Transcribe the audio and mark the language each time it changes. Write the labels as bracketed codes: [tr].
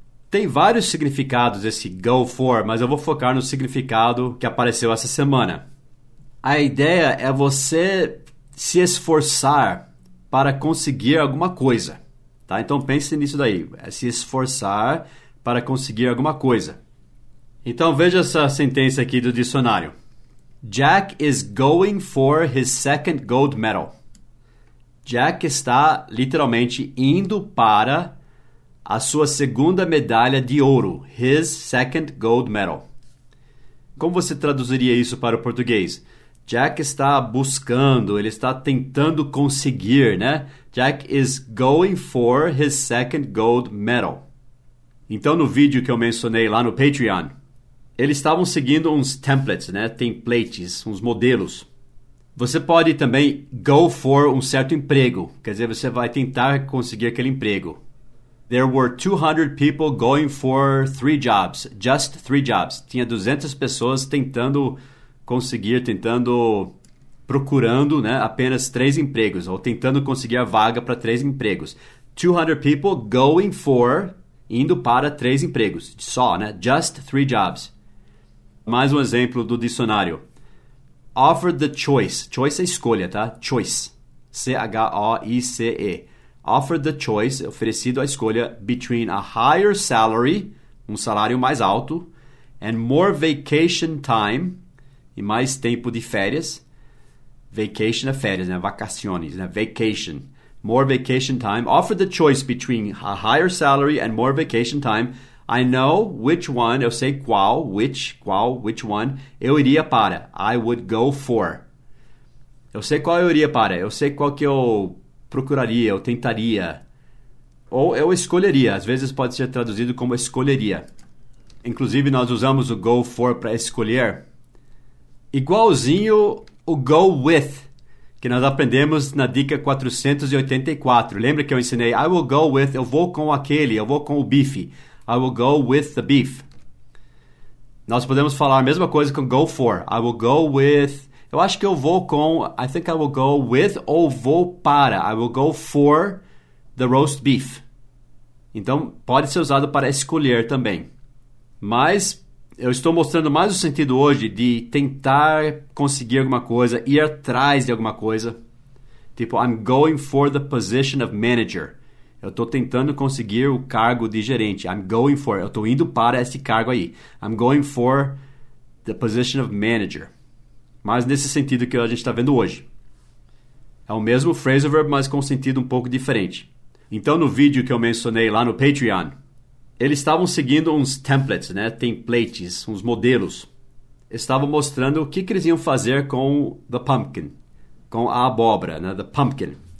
[pt] Tem vários significados esse go for, mas eu vou focar no significado que apareceu essa semana. A ideia é você se esforçar para conseguir alguma coisa, tá? Então pense nisso daí, é se esforçar para conseguir alguma coisa. Então veja essa sentença aqui do dicionário. [en] Jack is going for his second gold medal. [pt] Jack está literalmente indo para a sua segunda medalha de ouro. [en] His second gold medal. [pt] Como você traduziria isso para o português? Jack está buscando, ele está tentando conseguir, né? [en] Jack is going for his second gold medal. [pt] Então, no vídeo que eu mencionei lá no Patreon, eles estavam seguindo uns templates, né? Templates, uns modelos. Você pode também go for um certo emprego. Quer dizer, você vai tentar conseguir aquele emprego. [en] There were 200 people going for three jobs. Just three jobs. [pt] Tinha 200 pessoas tentando conseguir, procurando, né, apenas três empregos. Ou tentando conseguir a vaga para três empregos. [en] 200 people going for, [pt] indo para três empregos. Só, né? [en] Just three jobs. [pt] Mais um exemplo do dicionário. [en] Offer the choice. Choice [pt] é escolha, tá? [en] Choice. C-H-O-I-C-E. Offer the choice, [pt] oferecido a escolha, [en] between a higher salary, [pt] um salário mais alto, [en] and more vacation time, [pt] e mais tempo de férias. [en] Vacation [pt] é férias, né? [en] Vacaciones, né? Vacation. More vacation time. Offer the choice between a higher salary and more vacation time. I know which one, [pt] eu sei qual, [en] which one, [pt] eu iria para. [en] I would go for. [pt] Eu sei qual eu iria para. Eu sei qual que eu procuraria, eu tentaria. Ou eu escolheria. Às vezes pode ser traduzido como escolheria. Inclusive, nós usamos o go for para escolher. Igualzinho o go with, que nós aprendemos na dica 484. Lembra que eu ensinei? [en] I will go with, [pt] eu vou com aquele, eu vou com o bife. [en] I will go with the beef. [pt] Nós podemos falar a mesma coisa com go for. [en] I will go with... [pt] Eu acho que eu vou com... [en] I think I will go with [pt] ou vou para. [en] I will go for the roast beef. [pt] Então, pode ser usado para escolher também. Mas eu estou mostrando mais o sentido hoje de tentar conseguir alguma coisa, ir atrás de alguma coisa. [en] Tipo, I'm going for the position of manager. [pt] Eu estou tentando conseguir o cargo de gerente. [en] I'm going for. [pt] Eu estou indo para esse cargo aí. [en] I'm going for the position of manager. [pt] Mas nesse sentido que a gente está vendo hoje. É o mesmo phrasal verb, mas com sentido um pouco diferente. Então, no vídeo que eu mencionei lá no Patreon, eles estavam seguindo uns templates, né? Templates, uns modelos. Estavam mostrando o que, que eles iam fazer com [en] the pumpkin, [pt] com a abóbora, né? [en] The pumpkin.